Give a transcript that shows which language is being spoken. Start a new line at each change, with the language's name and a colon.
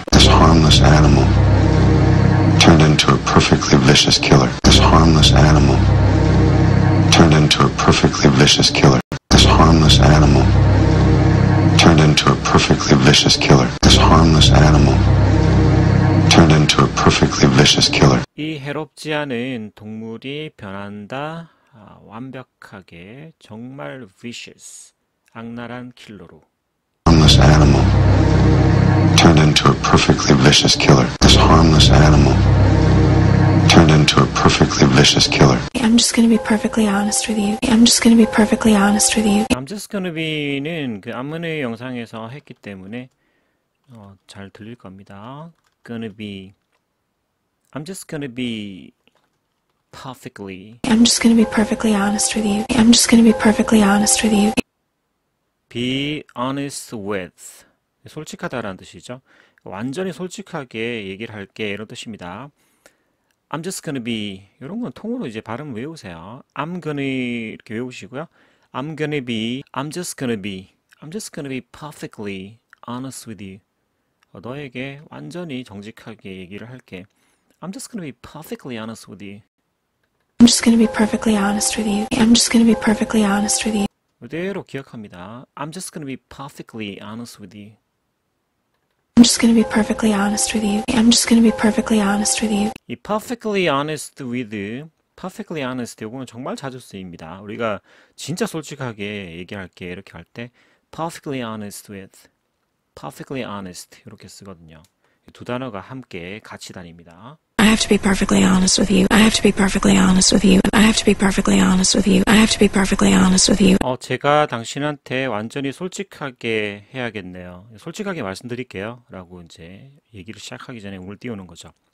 English: This harmless animal turned into a perfectly vicious killer. This harmless animal. Turned into a perfectly vicious killer. This harmless animal turned into a perfectly vicious killer. This harmless animal turned into a perfectly vicious killer.
Korean: 이 해롭지 않은 동물이 변한다. 완벽하게 정말 vicious 악랄한 킬러로.
English: Harmless animal turned into a perfectly vicious killer. This harmless animal. Turned into a perfectly vicious killer. I'm just gonna be perfectly honest with you. I'm just gonna be perfectly honest with you. I'm just gonna be
Korean: 는 그 안무의 영상에서 했기 때문에 잘 들릴 겁니다.
English: Gonna be. I'm just gonna be perfectly. I'm just gonna be perfectly honest with you. I'm just gonna be perfectly honest with you. Be honest with.
Korean: 솔직하다라는 뜻이죠. 완전히 솔직하게 얘기를 할게 이런 뜻입니다.
English: I'm just gonna be
Korean: 이런 건 통으로 이제 발음 외우세요.
English: I'm gonna
Korean: 이렇게 외우시고요.
English: I'm gonna be, I'm just gonna be, I'm just gonna be perfectly honest with you.
Korean: 너에게 완전히 정직하게 얘기를 할게.
English: I'm just gonna be perfectly honest with you. I'm just gonna be perfectly honest with you. I'm just gonna be perfectly honest with you.
Korean: 그대로 기억합니다.
English: I'm just gonna be perfectly honest with you. I'm just gonna be perfectly honest with you. I'm just gonna be perfectly honest with you.
Korean: 이
English: perfectly honest with, perfectly honest
Korean: 이거는 정말 자주 쓰입니다. 우리가 진짜 솔직하게 얘기할게 이렇게 할 때
English: perfectly honest with, perfectly honest
Korean: 이렇게 쓰거든요. 두 단어가 함께 같이 다닙니다.
English: I have to be perfectly honest with you. I have to be perfectly honest with you. I have to be perfectly honest with you. I have to be perfectly honest with you.
Korean: 제가 당신한테 완전히 솔직하게 해야겠네요. 솔직하게 말씀드릴게요. 라고 이제 얘기를 시작하기 전에 물 띄우는 거죠.